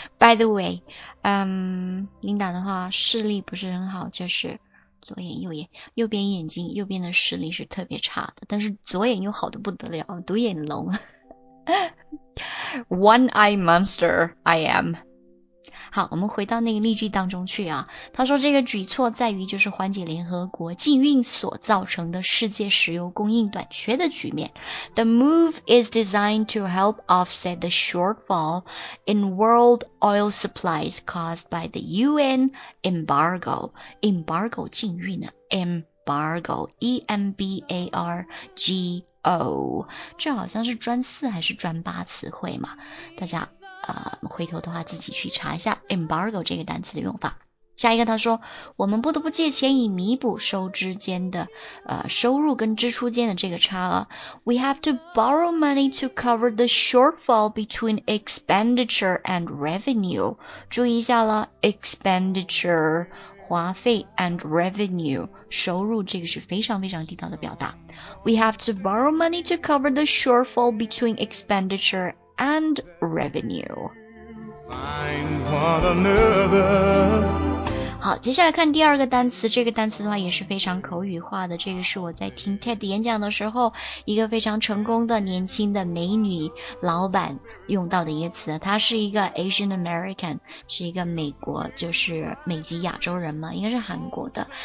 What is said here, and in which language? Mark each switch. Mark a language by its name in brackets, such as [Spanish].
[Chinese] By the way, Linda 的话视力不是很好，就是左眼右眼，右边眼睛右边的视力是特别差的，但是左眼又好得不得了，独眼龙。 [English] One eye monster, I am. [Chinese] 好，我们回到那个例句当中去啊。他说这个举措在于就是缓解联合国禁运所造成的世界石油供应短缺的局面。 [English] The move is designed to help offset the shortfall in world oil supplies caused by the UN embargo. Embargo [Chinese] 禁运啊， [English] embargo, E-M-B-A-R-G-O. [Chinese] 这好像是专四还是专八词汇嘛，大家回头的话自己去查一下 embargo 这个单词的用法。下一个，他说我们不得不借钱以弥补收支间的收入跟支出间的这个差额。 [English] We have to borrow money to cover the shortfall between expenditure and revenue. [Chinese] 注意一下了， expenditure 花费 and revenue 收入，这个是非常非常地道的表达。 [English] We have to borrow money to cover the shortfall between expenditure and revenue. Find one another. [Chinese] 好，接下来看第二个单词，这个单词的话也是非常口语化的，这个是我在听 TED 演讲的时候一个非常成功的年轻的美女老板用到的一个词。她是一个 Asian American, 是一个美国，就是美籍亚洲人嘛，应该是韩国的。